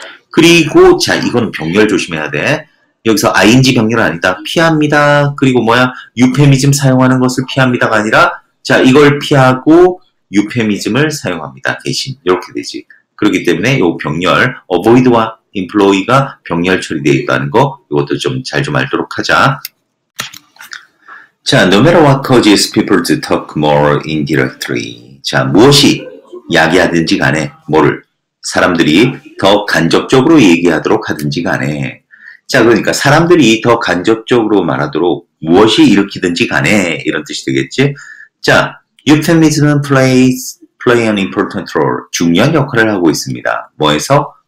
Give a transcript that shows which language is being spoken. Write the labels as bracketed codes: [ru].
[ko] 그리고 자, 이건 병렬 조심해야 돼. 여기서 ing 병렬 아니다. 피합니다. 그리고 뭐야? 유페미즘 사용하는 것을 피합니다가 아니라 자, 이걸 피하고 유페미즘을 사용합니다. 대신 이렇게 되지. 그렇기 때문에 요 병렬 avoid와 employ가 병렬 처리되어 있다는 거 이것도 좀 잘 좀 알도록 하자. [en] 자, no matter what causes people to talk more indirectly. [ko] 자, 무엇이 야기하든지 간에 뭐를 사람들이 더 간접적으로 얘기하도록 하든지 간에 자, 그러니까 사람들이 더 간접적으로 말하도록 무엇이 일으키든지 간에 이런 뜻이 되겠지? 자, euphemism은 [en] play an important role, [ko] 중요한 역할을 하고 있습니다. 뭐에서?